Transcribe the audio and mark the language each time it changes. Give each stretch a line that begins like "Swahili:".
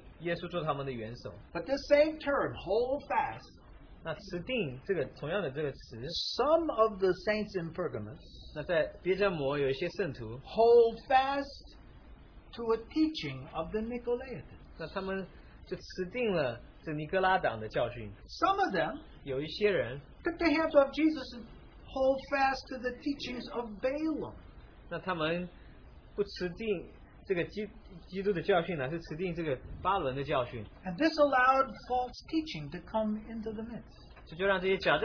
Chinese: 那许多人是持定耶稣做他们的元首.
English: But the same term, hold fast.
Chinese: 那持定这个同样的这个词.
English: Some of the saints in Pergamos.
Chinese: 那在别加摩有一些圣徒.
English: Hold fast to a teaching of the Nicolaitans.
Chinese: 那他们就持定了这尼格拉党的教训.
English: Some of them.
Chinese: 有一些人.
English: Took the hands off Jesus and hold fast to the teachings of Balaam.
Chinese: 那他们不持定这个基督的教训呢，是持定这个巴伦的教训。
English: And this allowed false teaching to come into the midst.